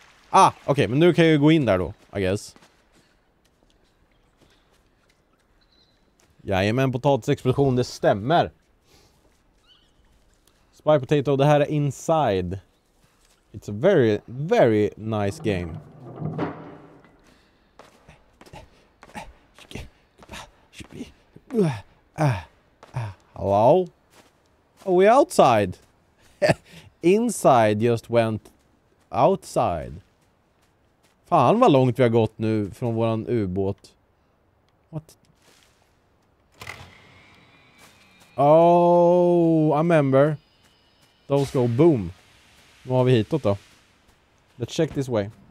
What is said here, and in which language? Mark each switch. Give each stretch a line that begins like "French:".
Swedish: Ah, okej, men nu kan jag ju gå in där då,
English: I guess.
Swedish: Jajamän, potatisexplosion, det stämmer. Spy Potato, det här är Inside.
English: It's a very, very nice game. Hello? Are we outside? Inside just went outside.
Swedish: Fan vad långt vi har gått nu från våran ubåt.
English: What? Oh, I remember. Those go boom.
Swedish: Nu har vi hitåt då.
English: Let's check this way.